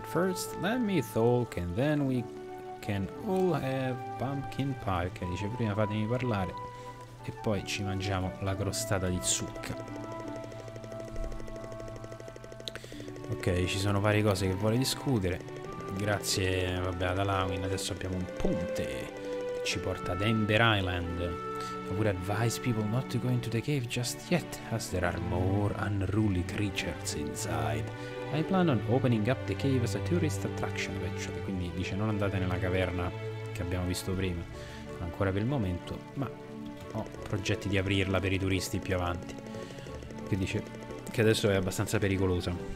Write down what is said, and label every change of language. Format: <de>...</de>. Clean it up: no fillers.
<en>First, let me talk and then we can all have pumpkin pie.</en> <it>Che dice, prima fatemi parlare e poi ci mangiamo la crostata di zucca. Ok, ci sono varie cose che vuole discutere. Grazie, vabbè, ad Alawin. Adesso abbiamo un ponte che ci porta ad Ember Island.</it> <en>I would advise people not to go into the cave just yet, as there are more unruly creatures inside. I plan on opening up the cave as a tourist attraction, eventually.</en> <it>Quindi dice non andate nella caverna che abbiamo visto prima, ancora per il momento, ma ho progetti di aprirla per i turisti più avanti. Che dice che adesso è abbastanza pericolosa.</it>